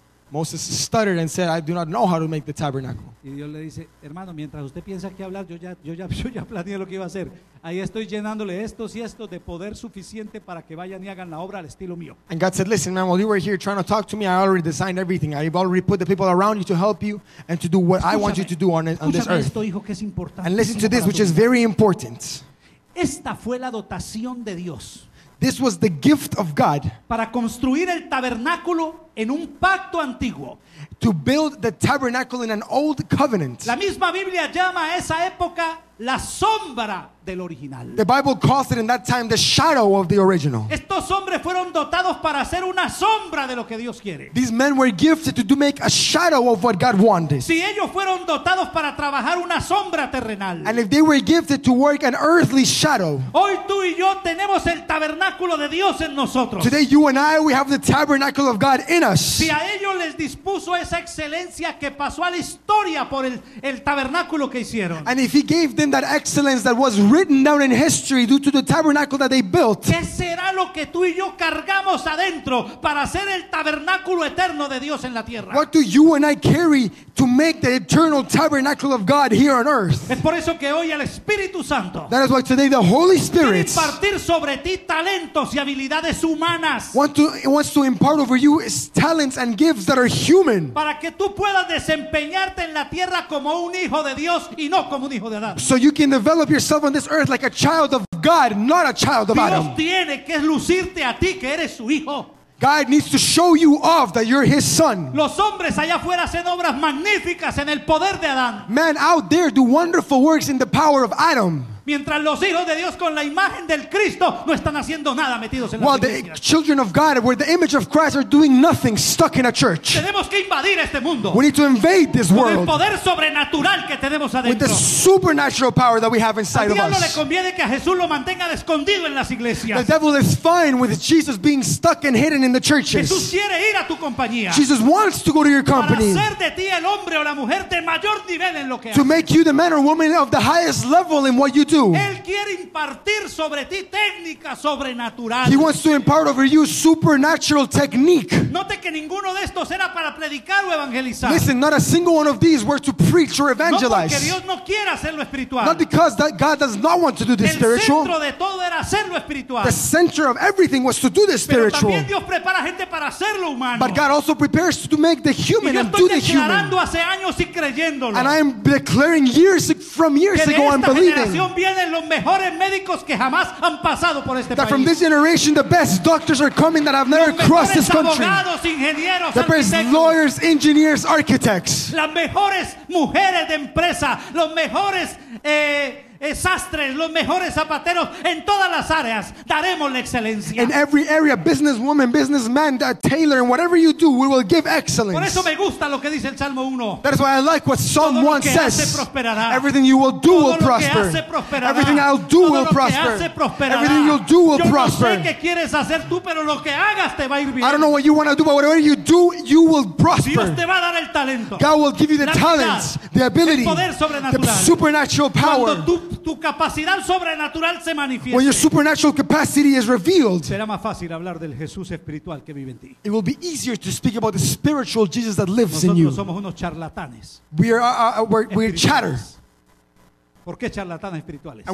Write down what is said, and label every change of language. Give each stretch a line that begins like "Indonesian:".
English: Moses stuttered and said, I do not know how to make the tabernacle.
Spanish: Y Dios le dice, hermano, mientras usted piensa que hablar, yo ya planeé lo que iba a hacer. Ahí estoy llenándole estos y estos de poder suficiente para que vayan y hagan la obra al estilo mío.
English: And God said, listen, man, while you were here trying to talk to me, I already designed everything. I've already put the people around you to help you and to do what
Spanish: escúchame,
English: I want you to do on this earth.
Spanish: Esto, hijo, que es importante.
English: And listen to this, which is very important.
Spanish: Esta fue la dotación de Dios.
English: This was the gift of God.
Spanish: Para construir el tabernáculo en un pacto antiguo.
English: To build the tabernacle in an old covenant.
Spanish: La misma Biblia llama a esa época la sombra del original.
English: The Bible calls it in that time the shadow of the original.
Spanish: Estos hombres fueron dotados para hacer una sombra de lo que Dios quiere.
English: These men were gifted to make a shadow of what God wanted.
Spanish: Si ellos fueron dotados para trabajar una sombra terrenal.
English: And if they were gifted to work an earthly shadow.
Spanish: Hoy tú y yo tenemos el tabernáculo de Dios en nosotros.
English: Today you and I, we have the tabernacle of God in us.
Spanish: Si a ellos les dispuso esa excelencia que pasó a la historia por el tabernáculo que hicieron.
English: And if he gave them that excellence that was written down in history due to the tabernacle that they built.
Spanish: ¿Qué será lo que tú y yo cargamos adentro para hacer el tabernáculo eterno de Dios en la tierra?
English: What do you and I carry to make the eternal tabernacle of God here on earth?
Spanish: Es por eso que hoy el Espíritu Santo,
English: that is why today the Holy Spirit,
Spanish: quiere impartir sobre ti talentos y habilidades humanas.
English: Wants to impart over you his talents and gifts that are human.
Spanish: Para que tú puedas desempeñarte en la tierra como un hijo de Dios y no como un hijo de Adán.
English: So you can develop yourself on this earth like a child of God, not a child of Adam.
Spanish: Dios tiene que lucirte a ti que eres su hijo.
English: God needs to show you off that you're his son.
Spanish: Los hombres allá afuera hacen obras magníficas en el poder de Adán.
English: Men out there do wonderful works in the power of Adam.
Spanish: Mientras los hijos de Dios con la imagen del Cristo no están haciendo nada metidos en la iglesia.
English: While the children of God with the image of Christ are doing nothing stuck in a church.
Spanish: Tenemos que invadir este mundo.
English: We need to invade this world.
Spanish: Con el poder sobrenatural que tenemos adentro.
English: With the supernatural power that we have inside of us.
Spanish: Al diablo le conviene que a Jesús lo mantenga escondido en las iglesias.
English: The devil is fine with Jesus being stuck and hidden in the churches.
Spanish: Jesús quiere ir a tu compañía.
English: Jesus wants to go to your company.
Spanish: Para hacer de ti el hombre o la mujer de mayor nivel en lo que haces.
English: To make you the man or woman of the highest level in what you do.
Spanish: Él quiere impartir sobre ti técnicas sobrenaturales.
English: He wants to impart over you supernatural technique.
Spanish: Note que ninguno de estos era para predicar o evangelizar.
English: Listen, not a single one of these were to preach or evangelize.
Spanish: No porque Dios no quiera hacerlo espiritual.
English: Not because that God does not want to do this spiritual.
Spanish: El centro de todo era hacerlo espiritual.
English: The center of everything was to do this spiritual.
Spanish: Pero también Dios prepara gente para hacerlo humano.
English: But God also prepares to make the human and do the human.
Spanish: Y yo estoy declarando hace años y creyéndolo.
English: And I am declaring years ago and believing.
Spanish: Vienen los mejores médicos que jamás han pasado por este país.
English: That from this generation the best doctors are coming that have never crossed this country.
Spanish: Los mejores abogados, ingenieros,
English: the best lawyers, engineers, architects.
Spanish: Las mejores mujeres de empresa, los mejores sastres, los mejores zapateros en todas las áreas. Daremos la excelencia.
English: In every area, businesswoman, businessman, a tailor, and whatever you do, we will give excellence.
Spanish: Por eso me gusta lo que dice el Salmo 1.
English: That is why I like what Psalm 1 says.
Spanish: Todo lo que hace prosperará.
English: Everything you will do will prosper.
Spanish: Todo lo que hace prosperará.
English: Everything I'll do will prosper.
Spanish: Todo lo que hace prosperará.
English: Everything you'll do will prosper.
Spanish: Yo no sé qué quieres hacer tú, pero lo que hagas te va a ir bien.
English: I don't know what you want to do, but whatever you do, you will prosper.
Spanish: Dios te va a dar el talento.
English: God will give you the talents, the ability,
Spanish: el poder sobrenatural,
English: the supernatural power.
Spanish: Tu capacidad sobrenatural se manifiesta.
English: When your supernatural capacity is revealed,
Spanish: será más fácil hablar del Jesús espiritual que vive en ti.
English: It will be easier to speak about the spiritual Jesus that lives
Spanish: nosotros
English: in you.
Spanish: Nosotros somos unos charlatanes.
English: We are we're chatters.
Spanish: ¿Por qué charlatanes espirituales?